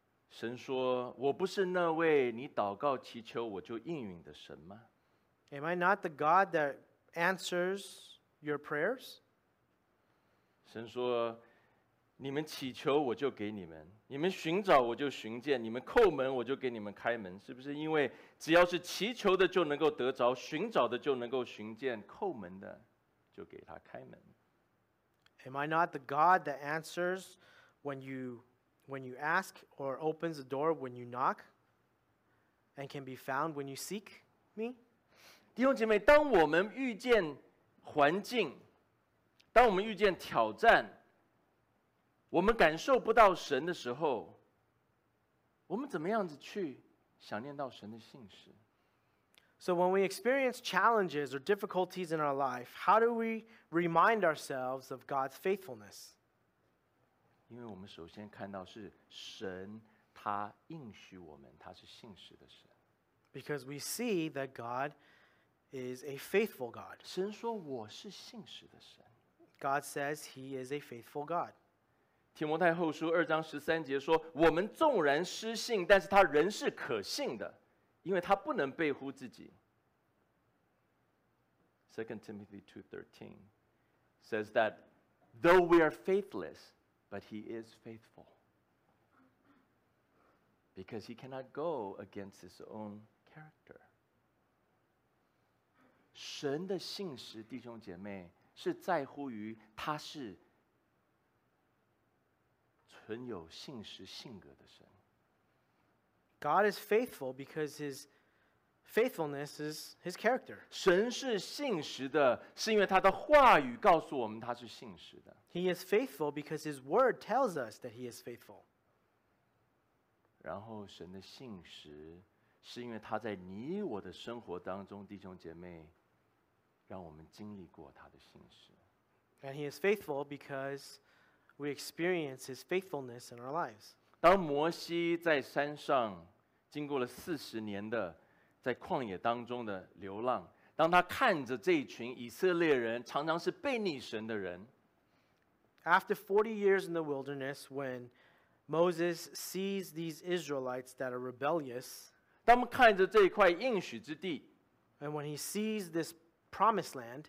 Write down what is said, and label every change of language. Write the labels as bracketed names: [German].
[Chinese] 神说我不是那位你祷告祈求我就应允的神吗？ [English] Am I not the God that answers your prayers? [Chinese] 神说你们祈求我就给你们，你们寻找我就寻见，你们叩门我就给你们开门，是不是因为只要是祈求的就能够得着，寻找的就能够寻见，叩门的就给他开门？ [English] Am I not the God that answers when you ask or opens the door when you knock and can be found when you seek me? [Chinese] 弟兄姐妹，当我们遇见环境，当我们遇见挑战，我们感受不到神的时候，我们怎么样子去想念到神的信实？ [English] So when we experience challenges or difficulties in our life, how do we remind ourselves of God's faithfulness? [Chinese] 因为我们首先看到是神他应许我们他是信实的神。 [English] Because we see that God is a faithful God. [Chinese] 神说我是信实的神。 [English] God says he is a faithful God. [Chinese] 提摩太后书二章十三节说我们纵然失信但是他仍是可信的因为他不能背乎自己。 [English] 2 Timothy 2:13 says that though we are faithless,But he is faithful because he cannot go against his own character. [Chinese] 神的信实，弟兄姐妹，是在乎于他是存有信实性格的神。 [English] God is faithful because his faithfulness is his character. [Chinese] 神是信实的，是因为他的话语告诉我们他是信实的。 [English] He is faithful because his word tells us that he is faithful. [Chinese] 然后神的信实是因为他在你我的生活当中，弟兄姐妹，让我们经历过他的信实。 [English] And he is faithful because we experience his faithfulness in our lives. [Chinese] 当摩西在山上经过了40年的在旷野当中的流浪，当他看着这群以色列人常常是背逆神的人。 [English] After 40 years in the wilderness, when Moses sees these Israelites that are rebellious. [Chinese] 当看着这一块应许之地, [English] and when he sees this promised land,